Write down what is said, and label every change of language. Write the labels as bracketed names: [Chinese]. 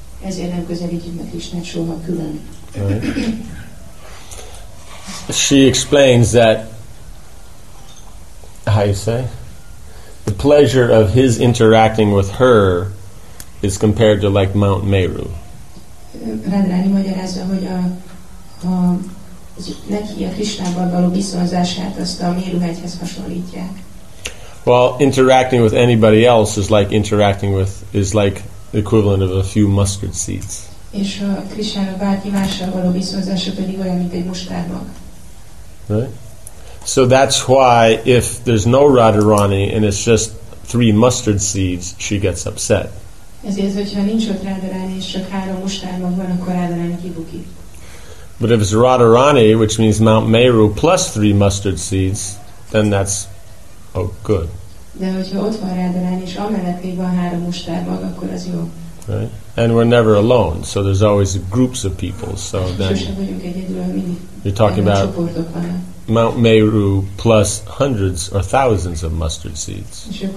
[English] Right? She explains that, how you say, the pleasure of his interacting with her is compared to like Mount Meru. [Hungarian] Radharani magyarázza, hogy a neki a Krisnával való viszonozását azt a méruhegyhez hasonlítják. [English] Well, interacting with anybody else is like interacting with, is like the equivalent of a few mustard seeds. [Hungarian] És a Krisnával bárki mással való viszonozása pedig olyan, mint egy mustármag. [English] Right? So that's why if there's no Radharani and it's just three mustard seeds, she gets upset. [Hungarian] Ezért, hogyha nincs ott Radharani és csak három mustármag van, akkor Radharani kibuki. [English] But if it's Radharani, which means Mount Meru plus three mustard seeds, then that's, oh, good. [Hungarian] De hogyha ott van Radharani és amellett még van három mustármag, akkor az jó. [English] Right? And we're never alone, so there's always groups of people. So then you're talking about Mount Meru plus hundreds or thousands of mustard seeds.